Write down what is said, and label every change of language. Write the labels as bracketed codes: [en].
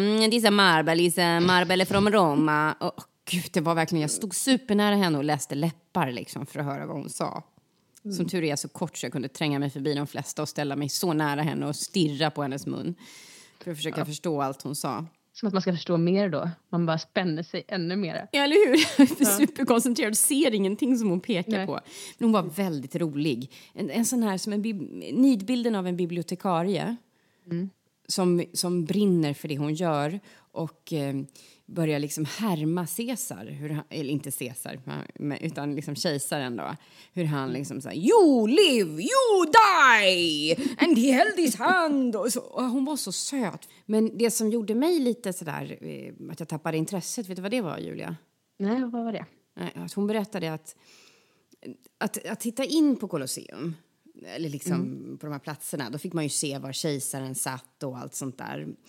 [en] This marble is marble from Roma. [sv] Gud, det var verkligen, jag stod supernära henne och läste läppar liksom för att höra vad hon sa. Som tur är så kort så jag kunde tränga mig förbi de flesta och ställa mig så nära henne och stirra på hennes mun. För att försöka förstå allt hon sa. Som att man ska förstå mer då. Man bara spänner sig ännu mer. Ja, eller hur? Superkoncentrerad, ser ingenting som hon pekar på. Men hon var väldigt rolig. En sån här som en nidbilden av en bibliotekarie. Som brinner för det hon gör. Och börjar liksom härma Caesar, eller inte Caesar, utan liksom kejsaren då. Hur han liksom såhär, [en] you live, you die, and he held his hand. [sv] Och hon var så söt. Men det som gjorde mig lite sådär, att jag tappade intresset, vet du vad det var, Julia? Nej, vad var det? Att hon berättade att titta in på Colosseum, eller liksom på de här platserna, då fick man ju se var kejsaren satt och allt sånt där.